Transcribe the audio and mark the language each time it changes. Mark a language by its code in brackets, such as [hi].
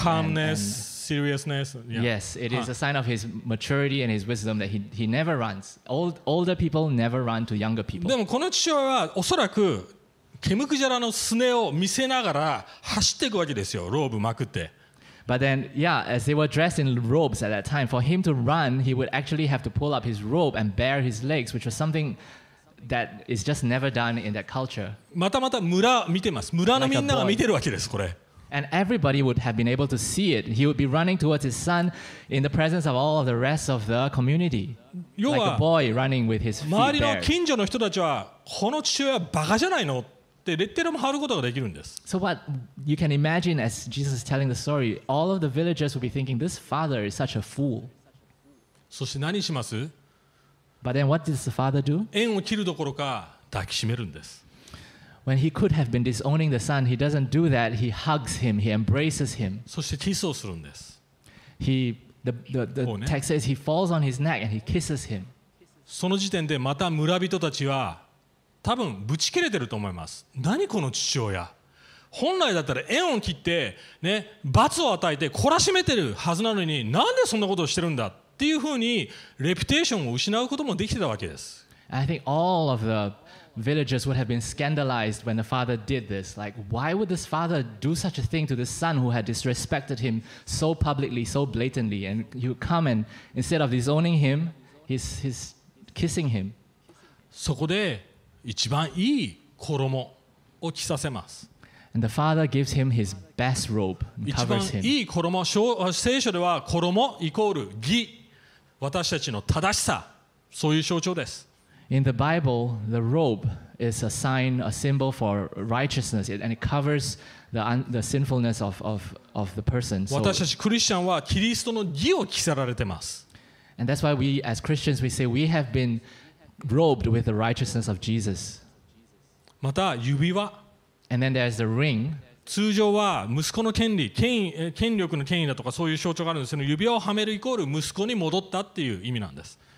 [en] Calmness, and seriousness. Yeah. Yes, it is a sign of his maturity and his wisdom that he never runs. Older people never run to younger people. [ja] でもこの父親はおそらくケムクジャラのスネを見せながら走っていくわけですよ、ローブまくって。 [en] But then, yeah, as they were dressed in robes at that time, for him to run, he would actually have to pull up his robe and bare his legs, which was something that is just never done in that culture. [ja] またまた村見てます。村のみんなが見てるわけです、これ。 [en] And everybody would have been able to see it. He would be running towards his son in the presence of all of the rest of the community. Like a boy running with his feet bare. [ja] 周りの近所の人たちは、この父親はバカじゃないの? でレッテルも貼ることができるんです。 [en] So what you can imagine as Jesus is telling the story, all of the villagers will be thinking this father is such a fool. [ja] そして何します? [en] But then what does the father do? [ja] 縁を切るどころか抱きしめるんです。 [en] When he could have been disowning the son, he doesn't do that. He hugs him. He embraces him. [ja] そしてキスをするんです。 [en] The text says he falls on his neck and he kisses him. [ja] その時点でまた村人たちは多分ぶち切れてると思います。何この父親。本来だったら縁を切って、ね、罰を与えて懲らしめてるはずなのに、なんでそんなことをしてるんだっていうふうにレピュテーションを失うこともできてたわけです。 [en] I think all of the villagers would have been scandalized when the father did this. Like, why would this father do such a thing to this son who had disrespected him so publicly, so blatantly? And he would come and instead of disowning him, he's kissing him. [ja] そこで一番いい衣を着させます。 [en] And the father gives him his best robe and covers him. [ja] 一番いい衣、聖書では衣イコール義、私たちの正しさ、そういう象徴です。 [en] In the Bible, the robe is a sign, a symbol for righteousness, and it covers the sinfulness of the person. [ja] 私たちクリスチャンはキリストの義を着せられてます。 [en] And that's why we, as Christians, we say we have been robed with the righteousness of Jesus. [ja] また指輪。 [en] And then there's the ring. [ja] 通常は息子の権利、権力の権威だとかそういう象徴があるんですけど、指輪をはめるイコール息子に戻ったっていう意味なんです。